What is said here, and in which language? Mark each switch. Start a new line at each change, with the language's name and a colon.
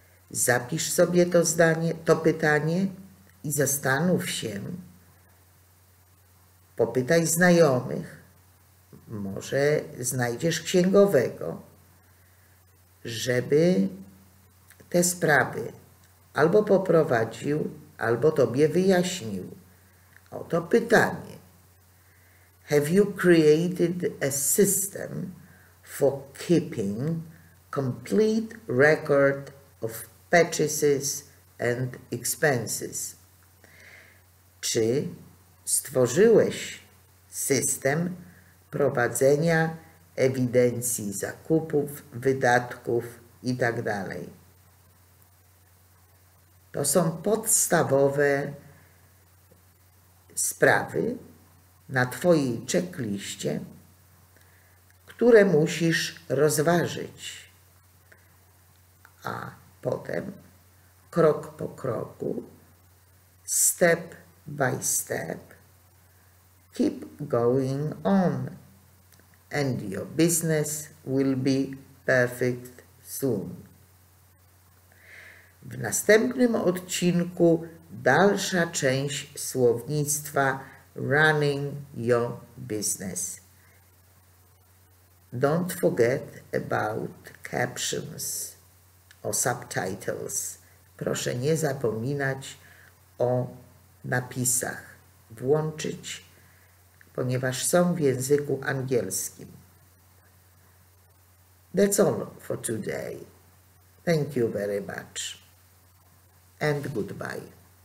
Polish: Zapisz sobie to zdanie, to pytanie i zastanów się, popytaj znajomych, może znajdziesz księgowego, żeby te sprawy albo poprowadził, albo tobie wyjaśnił. Oto pytanie.
English: Have you created a system for keeping complete record of purchases and expenses?
Polish: Czy stworzyłeś system prowadzenia ewidencji zakupów, wydatków itd.? To są podstawowe sprawy na twojej checkliście, które musisz rozważyć. A potem, krok po kroku,
English: step by step, keep going on and your business will be perfect soon.
Polish: W następnym odcinku dalsza część słownictwa
English: running your business. Don't forget about captions or subtitles.
Polish: Proszę nie zapominać o napisach. Włączyć, ponieważ są w języku angielskim.
English: That's all for today. Thank you very much. And goodbye.